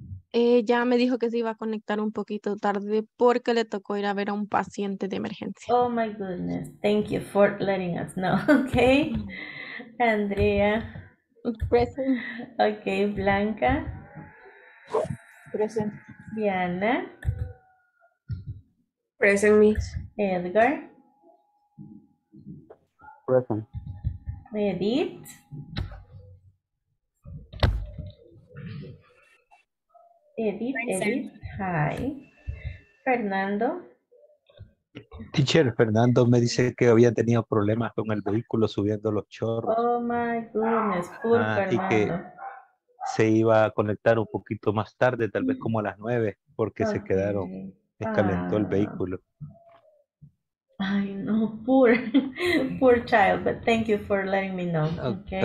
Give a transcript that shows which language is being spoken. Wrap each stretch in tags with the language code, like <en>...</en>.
<es>Ella me dijo que se iba a conectar un poquito tarde porque le tocó ir a ver a un paciente de emergencia.</es> <en>Oh my goodness, thank you for letting us know. Okay, Andrea. Present. Okay, Blanca. Present. Diana. Present, Miss. Edgar. Present. Edith. Edith, hi. Fernando.</en> <es>Teacher, Fernando me dice que había tenido problemas con el vehículo subiendo los chorros.</es> <en>Oh my goodness, poor Fernando.</en> <es>Y que se iba a conectar un poquito más tarde, tal vez como a las 9, porque okay. Se quedaron, calentó el vehículo.</es> <en>Ay, no, poor child, but thank you for letting me know, okay?</en>